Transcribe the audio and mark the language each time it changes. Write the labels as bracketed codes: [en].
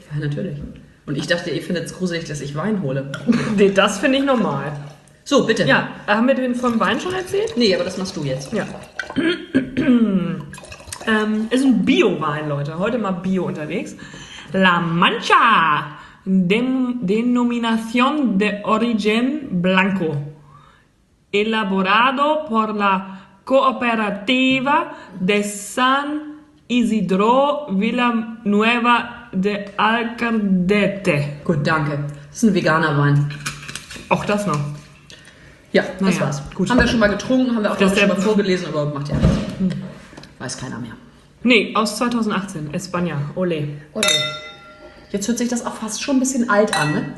[de] Ja, natürlich. Und ich dachte, ihr findet es gruselig, dass ich Wein hole. Nee, das finde ich normal. So, bitte. Ja, haben wir den vom Wein schon erzählt? Nee, aber das machst du jetzt. Ja. ist ein Bio-Wein, Leute. Heute mal Bio unterwegs. [es] La Mancha. Denominación de origen blanco. Elaborado por la Cooperativa de San Isidro Villanueva de Alcaldete. [de] Gut, danke. Das ist ein veganer Wein. Auch das noch. Ja, das war's. Gut. Haben wir schon mal getrunken, haben wir auch schon mal vorgelesen, aber macht ja nichts. Weiß keiner mehr. Nee, aus 2018. España. Olé. [es] Olé. [de] Jetzt hört sich das auch fast schon ein bisschen alt an, ne?